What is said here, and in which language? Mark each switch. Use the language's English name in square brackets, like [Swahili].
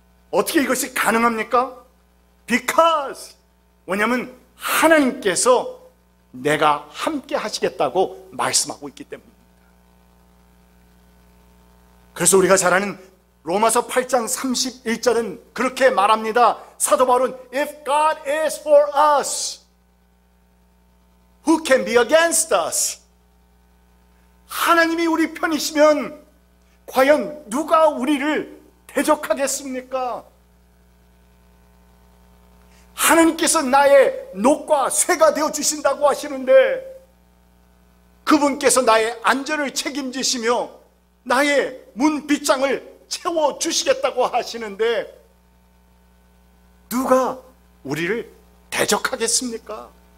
[Korean] 어떻게 이것이 가능합니까? [English] Because, [Korean] 뭐냐면 하나님께서 내가 함께 하시겠다고 말씀하고 있기 때문입니다. 그래서 우리가 잘 아는 로마서 8장 31절은 그렇게 말합니다. 사도 바울은 [English] If God is for us, who can be against us? [Korean] 하나님이 우리 편이시면 과연 누가 우리를 대적하겠습니까? 하나님께서 나의 녹과 쇠가 되어주신다고 하시는데 그분께서 나의 안전을 책임지시며 나의 문 빗장을 채워주시겠다고 하시는데 누가 우리를 대적하겠습니까?